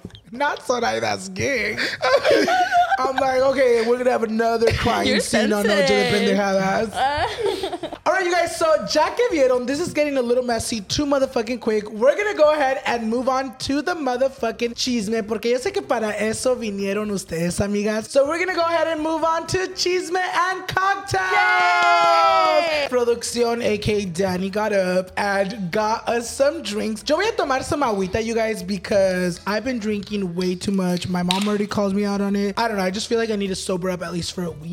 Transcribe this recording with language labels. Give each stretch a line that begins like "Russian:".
English: Not Soraya's gig. I'm like, okay, we're going to have another crying You're scene sensitive. On no Jennifer in the house. All right, you guys. So, Jack and Vieron, this is getting a little messy too motherfucking quick. We're going to go ahead and move on to the motherfucking chisme.
Spanish: Porque yo sé que para eso vinieron ustedes, amigas.
English: So, we're going to go ahead and move on to chisme and cocktails. Yay!
Spanish: Producción, a.k.a.
English: Danny, got up and got us some drinks.
Spanish: Yo voy a tomar
English: some agüita, you guys, because I've been drinking way too much. My mom already calls me out on it. I don't know. I just feel like I need to sober up at least for a week.